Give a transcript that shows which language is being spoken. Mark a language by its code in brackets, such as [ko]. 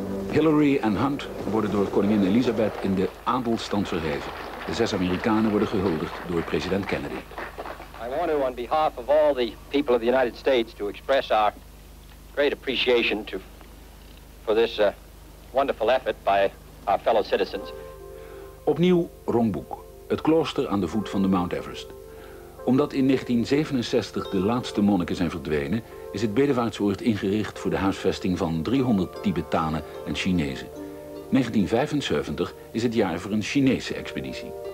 [nl] Hillary en Hunt worden door koningin Elizabeth in de adelstand verheven. De zes Amerikanen worden gehuldigd door president Kennedy. [en] I want to, on behalf of all the people of the United States, to express our great appreciation for this wonderful effort by our fellow citizens. [nl] Opnieuw Rongbuk, het klooster aan de voet van de Mount Everest. Omdat in 1967 de laatste monniken zijn verdwenen, is het bedevaartsoord ingericht voor de huisvesting van 300 Tibetanen en Chinezen. 1975 is het jaar voor een Chinese expeditie.